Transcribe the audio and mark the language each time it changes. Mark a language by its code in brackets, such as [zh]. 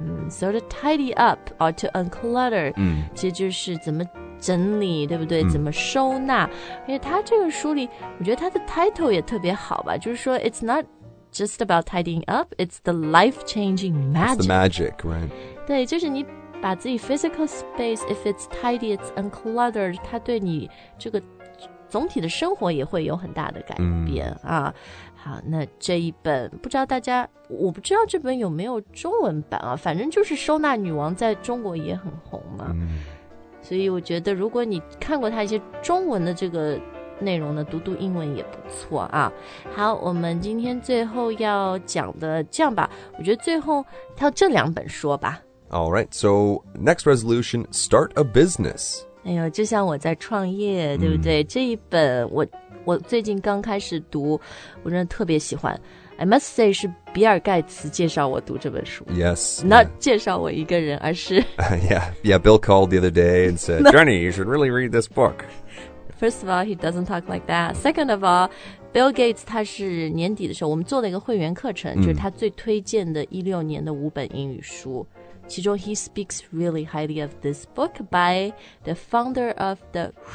[en] So to tidy up or to unclutter, [zh] 其实就是怎么整理，对不对？怎么收纳？因为他这个书里，我觉得他的 title 也特别好吧，就是说 [en] it's not just about tidying up, it's the life-changing magic. It's the magic, right? [zh] 对，就是你把自己 physical space, [en] if it's tidy, it's uncluttered, [zh] 它对你这个总体的生活也会有很大的改变啊。好，那这一本不知道大家，我不知道这本有没有中文版啊，反正就是收纳女王在中国也很红嘛，所以我觉得如果你看过它一些中文的这个内容呢，读读英文也不错啊。好，我们今天最后要讲的，这样吧，我觉得最后挑这两本说吧。 [en] Alright, so next resolution, start a business. [zh] 哎呦，就像我在创业，对不对？这一本我最近刚开始读，我真的特别喜欢。 [en] I must say [zh] 是比尔盖茨介绍我读这本书。 [en] Yes. [zh] Not、yeah. 介绍我一个人，而是。 [en] Yeah, Bill called the other day and said, Johnny, you should really read this book. First of all, he doesn't talk like that. [zh] Second of all, Bill Gates 他是年底的时候，我们做了一个会员课程，就是他最推荐的16年的五本英语书。其中 [en] he speaks really highly of this book by the founder of the...